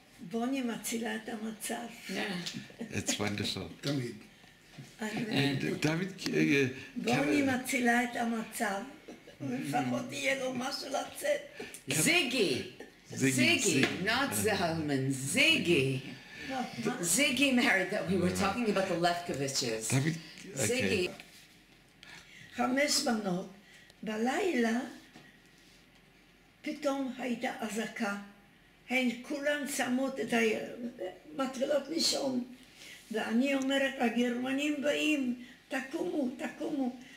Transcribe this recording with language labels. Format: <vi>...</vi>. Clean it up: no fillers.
<he>בוני מצילה את המצב.</he> <en>It's wonderful.</en> <he>תמיד.</he> <en>And David...</en> <he>בוני מצילה את המצב. לפחות יהיה לו משהו לצאת. זיגי! זיגי!</he> <en>Not Zalman.</en> <he>זיגי!</he> <en>Ziggy married that we were talking about the Lefkoviches. Ziggy.</en> <he>חמש בנות, בלילה פתאום הייתה אזעקה. הן כולן שמות את המטרלות לישון. ואני אומרת, הגרמנים באים, תקומו, תקומו.</he>